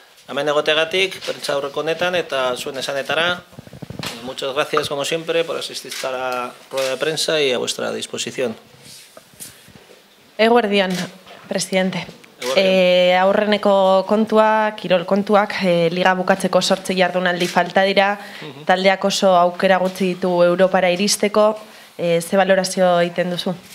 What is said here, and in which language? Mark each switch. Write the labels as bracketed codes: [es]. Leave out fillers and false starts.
[eu] Hemen egoteagatik, prentsa aurreko honetan eta zuen esanetara. [es] Muchas gracias, como siempre, por asistir a la rueda de prensa y a vuestra disposición. [eu] Eguerdion, presidente. Aurreneko kontuak, kirol kontuak, liga bukatzeko 8 jardunaldi falta dira, taldeak oso aukera gutxi ditu Europara iristeko, ze balorazio egiten duzu?